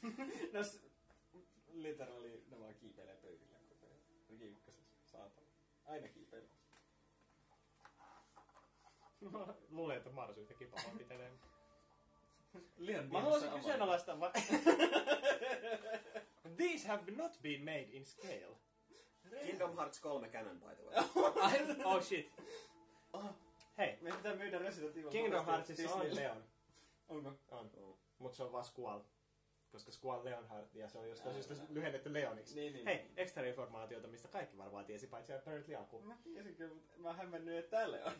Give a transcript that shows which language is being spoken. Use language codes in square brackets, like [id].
[fi] No, literally ne vaan kiipeilee pöydillä, kuten Riki Ykkösessä, saatana. Aina kiipeilee. Luulen, että Mars yhtäkin pahoin pitelee. Leon, mä haluaisin kyseenalaistaa vaan... [en] These have not been made in scale. Kingdom Hearts 3 canon, by the way. Oh shit. [fi] Hei, meidän pitää myydä Resident Evil. Kingdom Heartsissa on Leon. Onko? On. Mut se on vaan Squall. Koska Squall Leonhardt ja se on jostain syystä lyhennetty Leoniksi. Niin. Hei, ekstra informaatiota, mistä kaikki varmaan tiesi, paitsi apparently aku. Mä tiesin kyllä, mut mä oon hämmennyt, että tää Leon.